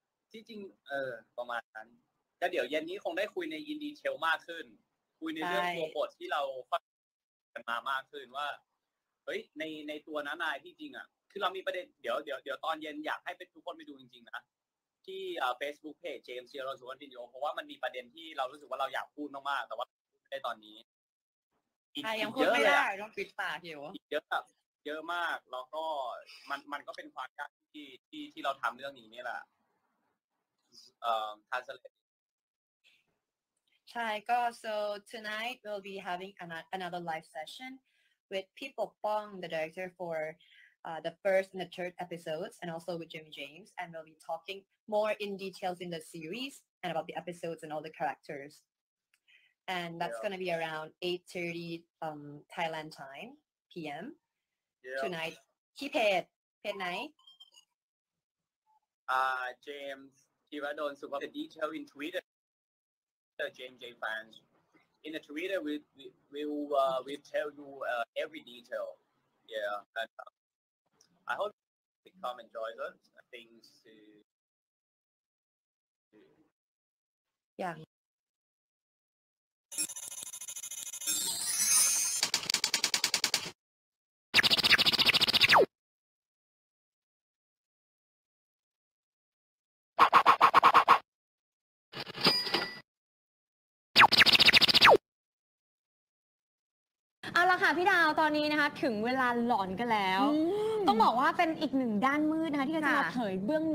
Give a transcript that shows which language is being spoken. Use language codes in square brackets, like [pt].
[th] ที่จริงประมาณนั้นแล้วเดี๋ยวเย็นนี้คงได้คุยในอินดีเทลมากขึ้นคุยในเรื่องตัวบทที่เราฟังกันมามากขึ้นว่าเฮ้ยในตัวน้านายที่จริงอ่ะคือเรามีประเด็นเดี๋ยวตอนเย็นอยากให้ทุกคนไปดูจริงๆนะที่Facebook page James Cidadon Suvan Pinyo เพราะว่ามันมีประเด็นที่เรารู้สึกว่าเราอยากพูดมากๆแต่ว่าพูดไม่ได้ตอนนี้ใช่ยังพูดไม่ได้ต้องปิดปากอยู่เยอะมากแล้วก็มันก็เป็นความยากที่เราทำเรื่องนี้นี่แหละทาร์เซเลต [en] ใช่ก็ so tonight we'll be having another live session with Pee Pok Pong the director for the first and the third episodes and also with Jimmy James and we'll be talking more in details in the series and about the episodes and all the characters and that's going to be around 8:30 Thailand time PM tonight [th] ที่เพจไหน [en] James Cidadon Suvan Pinyo detail in TwitterJMJ fans in the Twitter we tell you every detail yeah and, I hope you come enjoy those things to [th] อย่างเอาละค่ะพี่ดาวตอนนี้นะคะถึงเวลาหลอนกันแล้วต้องบอกว่าเป็นอีกหนึ่งด้านมืดนะคะที่จะมาเผยเบื้อง